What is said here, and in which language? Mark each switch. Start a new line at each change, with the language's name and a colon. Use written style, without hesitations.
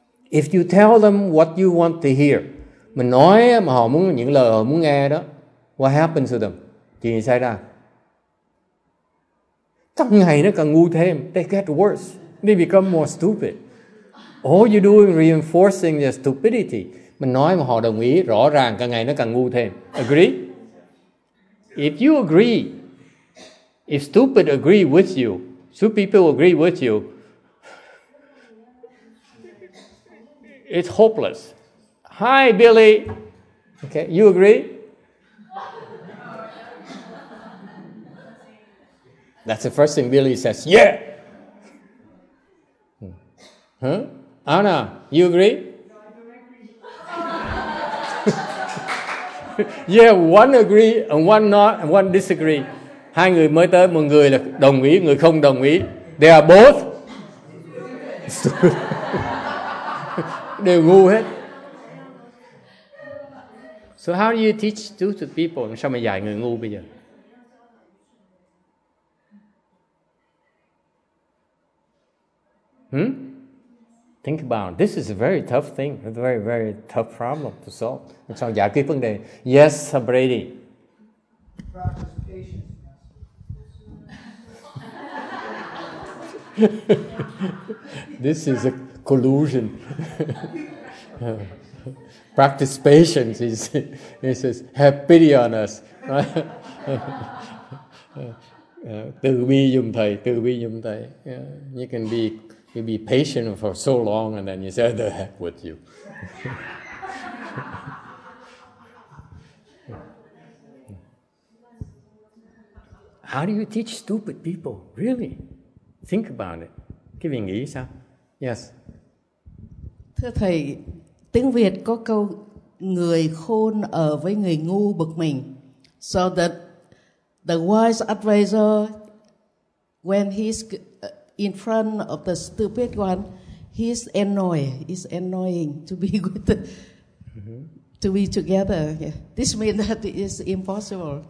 English: If you tell them what you want to hear,
Vietnamese: mình nói mà họ muốn những lời họ muốn nghe đó.
English: What happens to them?
Vietnamese: Chuyện gì xảy ra? Trong ngày nó càng ngu thêm.
English: They get worse. They become more stupid. All you do is reinforcing their stupidity.
Vietnamese: Mình nói mà họ đồng ý, rõ ràng càng ngày nó càng ngu thêm.
English: Agree? If you agree, if stupid agree with you, stupid people agree with you, it's hopeless. Hi, Billy. Okay, you agree? That's the first thing Billy says. Yeah. Anna, you agree? Yeah, one agree and one not and one disagree.
Vietnamese: Hai người mới tới, một người là đồng ý, người không đồng ý.
English: They are both.
Vietnamese: Đều ngu hết.
English: So how do you teach stupid people?
Vietnamese: Sao mà dạy người ngu bây giờ?
English: Hmm? Think about it. This is a very tough thing. A very, very tough problem to solve.
Vietnamese: Sao giải quyết vấn đề?
English: Yes, Brady. This is a collusion. Practice patience. He says, have pity on us.
Vietnamese: Từ bi dùm thầy, từ bi dùm thầy.
English: You can be, you be patient for so long and then you say, the heck with you. How do you teach stupid people? Really? Think about it.
Vietnamese: Cái vị nghĩ sao?
English: Yes.
Vietnamese: Thưa thầy, tiếng Việt có câu người khôn ở với người ngu bực mình.
English: So that the wise advisor, when he's in front of the stupid one, he's annoyed. It's annoying to be with the, to be together. Yeah. This means that it is impossible.